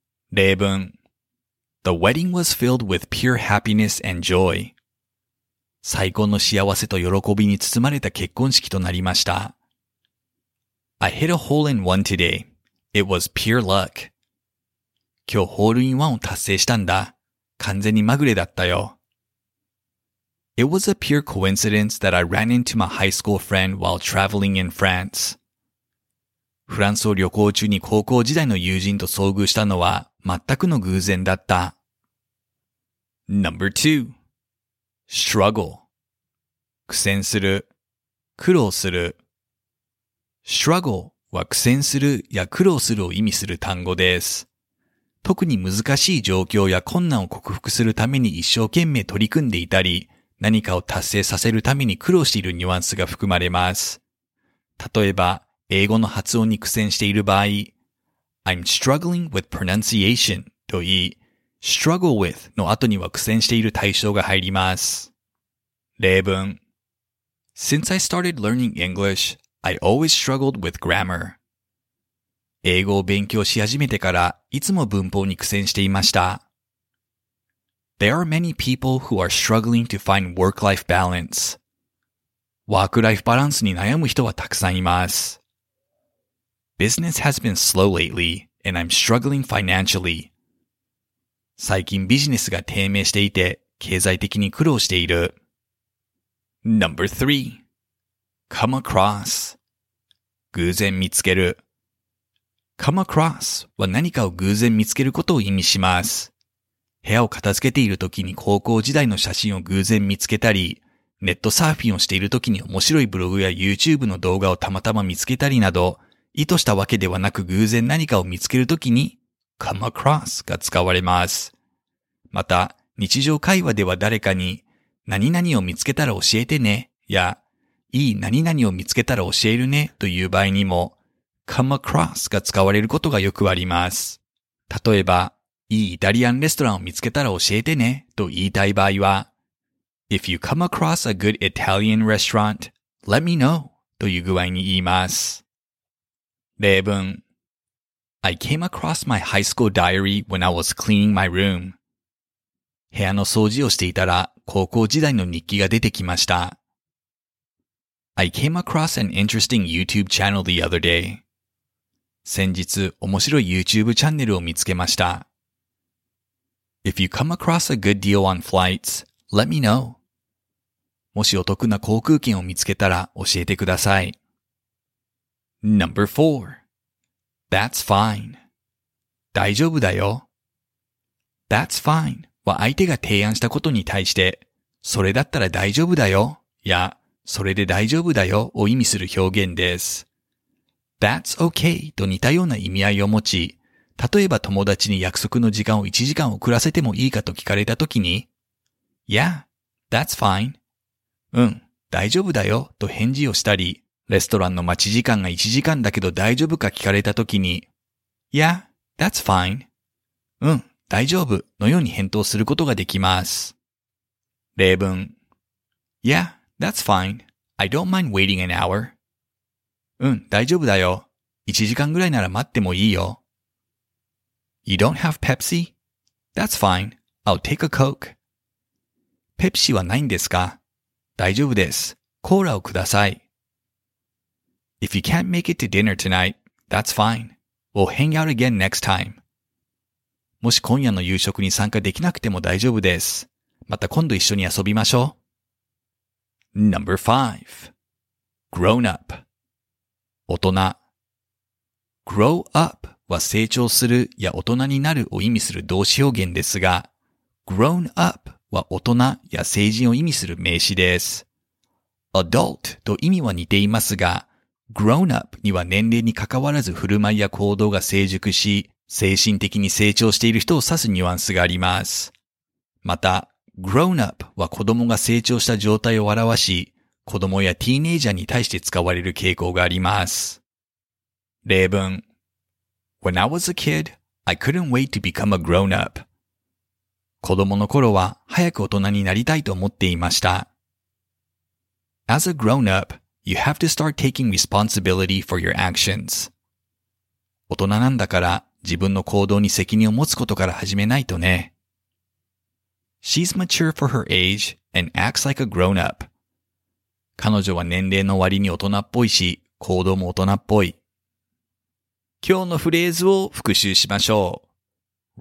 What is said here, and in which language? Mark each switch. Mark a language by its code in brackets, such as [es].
[en] 例文 The wedding was filled with pure happiness and joy [ja] 最高の幸せと喜びに包まれた結婚式となりました。 [en] I hit a hole in one today. It was pure luck. [ja] 今日ホールインワンを達成したんだ。完全にまぐれだったよ。 [en] It was a pure coincidence that I ran into my high school friend while traveling in France. [ja] フランスを旅行中に高校時代の友人と遭遇したのは全くの偶然だった。 [en] Number 2. Struggle. [ja] 苦戦する。苦労する。 Struggle は苦戦するや苦労するを意味する単語です。特に難しい状況や困難を克服するために一生懸命取り組んでいたり、何かを達成させるために苦労しているニュアンスが含まれます。例えば、英語の発音に苦戦している場合、 [en] I'm struggling with pronunciation [ja] と言い、struggle with の後には苦戦している対象が入ります。 [en] 例文 Since I started learning English, I always struggled with grammar. [ja] 英語を勉強し始めてから、いつも文法に苦戦していました。 [en] There are many people who are struggling to find work-life balance. [ja] ワークライフバランスに悩む人はたくさんいます。 [en] Business has been slow lately, and I'm struggling financially. [ja] 最近ビジネスが低迷していて、経済的に苦労している。 [en] Number 3. Come across. [ja] 偶然見つける。 Come across は何かを偶然見つけることを意味します。部屋を片付けているときに高校時代の写真を偶然見つけたり、ネットサーフィンをしているときに面白いブログや YouTube の動画をたまたま見つけたりなど、意図したわけではなく偶然何かを見つけるときに、come across が使われます。また、日常会話では誰かに、何々を見つけたら教えてね、や、いい何々を見つけたら教えるね、という場合にも、come across が使われることがよくあります。例えば、いいイタリアンレストランを見つけたら教えてねと言いたい場合は [en] If you come across a good Italian restaurant, let me know [ja] という具合に言います。 [en] 例文 I came across my high school diary when I was cleaning my room. [ja] 部屋の掃除をしていたら高校時代の日記が出てきました。 [en] I came across an interesting YouTube channel the other day. [ja] 先日面白い YouTube チャンネルを見つけました。 [en] If you come across a good deal on flights, let me know. [ja] もしお得な航空券を見つけたら教えてください。 [en] Number 4. That's fine. [ja] 大丈夫だよ。 That's fine は相手が提案したことに対して、それだったら大丈夫だよ、や、それで大丈夫だよを意味する表現です。 That's okay と似たような意味合いを持ち、例えば友達に約束の時間を1時間遅らせてもいいかと聞かれたときに [en] Yeah, that's fine. [ja] うん、大丈夫だよと返事をしたり、レストランの待ち時間が1時間だけど大丈夫か聞かれたときに、 [en] Yeah, that's fine. [ja] うん、大丈夫のように返答することができます。例文。 [en] Yeah, that's fine. I don't mind waiting an hour. [ja] うん、大丈夫だよ。 1時間ぐらいなら待ってもいいよ。 [en] You don't have Pepsi? That's fine. I'll take a Coke. [ja] ペプシはないんですか? 大丈夫です。コーラをください。 [en] If you can't make it to dinner tonight, that's fine. We'll hang out again next time. [ja] もし今夜の夕食に参加できなくても大丈夫です。また今度一緒に遊びましょう。 [en] Number 5. Grown up. [ja] 大人。 Grow up は成長するや大人になるを意味する動詞表現ですが、Grown up は大人や成人を意味する名詞です。 Adult と意味は似ていますが、Grown up には年齢に関わらず振る舞いや行動が成熟し、精神的に成長している人を指すニュアンスがあります。また、Grown up は子供が成長した状態を表し、子供やティーネイジャーに対して使われる傾向があります。例文。 [en] When I was a kid, I couldn't wait to become a grown up. [ja] 子供の頃は早く大人になりたいと思っていました。 [en] As a grown up, you have to start taking responsibility for your actions. [ja] 大人なんだから自分の行動に責任を持つことから始めないとね。 [en] She's mature for her age and acts like a grown up. [ja] 彼女は年齢の割に大人っぽいし、行動も大人っぽい。今日のフレーズを復習しましょう。